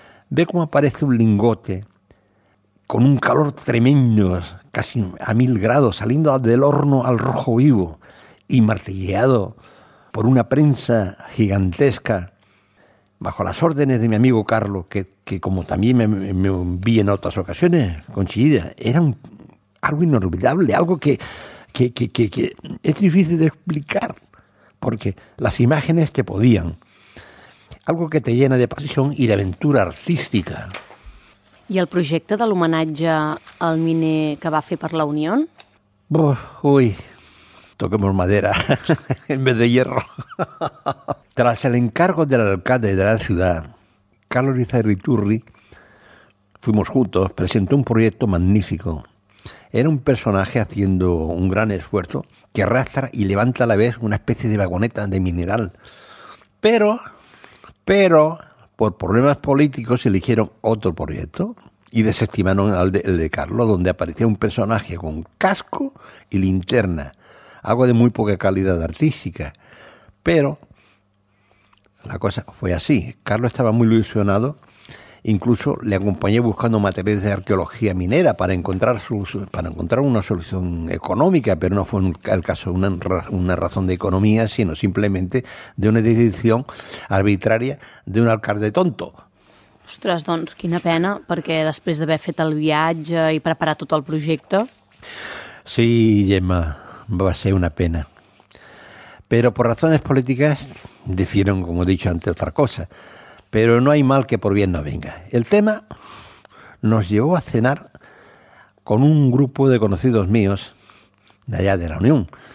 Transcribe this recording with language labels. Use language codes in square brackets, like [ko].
[es] Ve cómo aparece un lingote con un calor tremendo, casi a 1000 grados, saliendo del horno al rojo vivo y martilleado por una prensa gigantesca bajo las órdenes de mi amigo Carlos, que como también me vi en otras ocasiones con Chillida, era algo inolvidable, algo que es difícil de explicar, porque las imágenes te podían. Algo que te llena de pasión y de aventura artística. [ca] ¿Y el projecte de l'homenatge al miner que va fer per la Unió? [es] Ui, toquemos madera en vez de hierro. Tras el encargo del alcalde de la ciudad, Carlos Lizarriturri, fuimos juntos, presentó un proyecto magnífico. Era un personaje haciendo un gran esfuerzo que arrastra y levanta a la vez una especie de vagoneta de mineral. Pero, por problemas políticos, eligieron otro proyecto y desestimaron el de Carlos, donde aparecía un personaje con casco y linterna, algo de muy poca calidad artística. Pero la cosa fue así. Carlos estaba muy ilusionado, incluso le acompañé buscando materiales de arqueología minera para encontrar una solución económica, pero no fue el caso una razón de economía, sino simplemente de una decisión arbitraria de un alcalde tonto. [ca] Ostres, doncs, quina pena, perquè després d'haver fet el viatge i preparar tot el projecte... Sí, Gemma, va ser una pena. [es] Pero por razones políticas decidieron, como he dicho antes, otra cosa. Pero no hay mal que por bien no venga. El tema nos llevó a cenar con un grupo de conocidos míos de allá de la Unión.